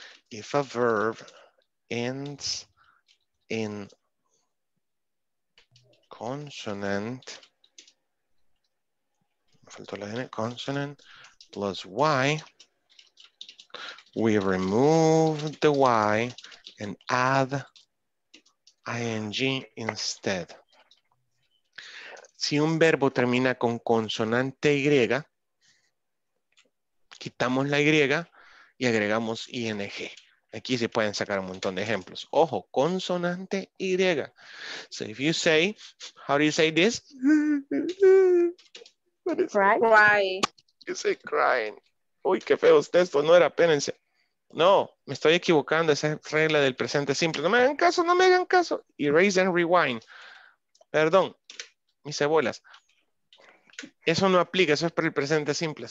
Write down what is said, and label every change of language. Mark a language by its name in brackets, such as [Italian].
[English] If a verb ends in consonant, consonant plus Y, we remove the Y and add ing instead. [Spanish] Si un verbo termina con consonante Y, quitamos la Y y agregamos ing. Aquí se pueden sacar un montón de ejemplos. Ojo, consonante Y. [English] So if you say, how do you say this? Cry. You say crying. [Spanish] Uy, qué feo usted, esto no era, apérense. No, me estoy equivocando, esa es regla del presente simple. No me hagan caso, no me hagan caso. [English] Erase and rewind. [Spanish] Perdón. Mis cebolas. Eso no aplica, eso es para el presente simple.